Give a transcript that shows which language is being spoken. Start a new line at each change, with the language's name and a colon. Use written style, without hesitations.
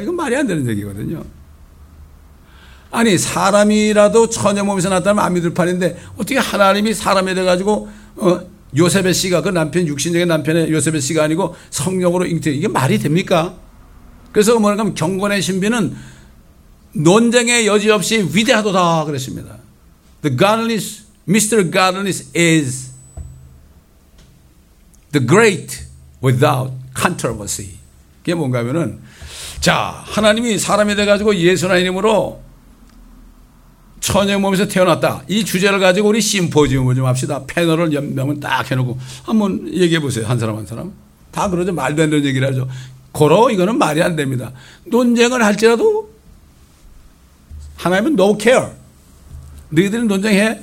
Korean: 이건 말이 안 되는 얘기거든요. 아니 사람이라도 처녀 몸에서 났다면 안 믿을 판인데 어떻게 하나님이 사람이 돼가지고 요셉의 씨가 그 남편 육신적인 남편의 요셉의 씨가 아니고 성령으로 잉태 이게 말이 됩니까? 그래서 뭐랄까 하면 경건의 신비는 논쟁의 여지 없이 위대하도다 그랬습니다.
English: The Godliness, Mr. Godliness is the great without controversy.
Korean: 그게 뭔가 하면은 자 하나님이 사람이 돼가지고 예수나 이름으로 처녀의 몸에서 태어났다. 이 주제를 가지고 우리 심포지엄을 좀 합시다. 패널을 몇 명은 딱 해놓고 한번 얘기해 보세요. 한 사람 한 사람. 다 그러죠. 말도 안 되는 얘기를 하죠. 고로 이거는 말이 안 됩니다. 논쟁을 할지라도 하나님은
English: no care.
Korean: 너희들은 논쟁해.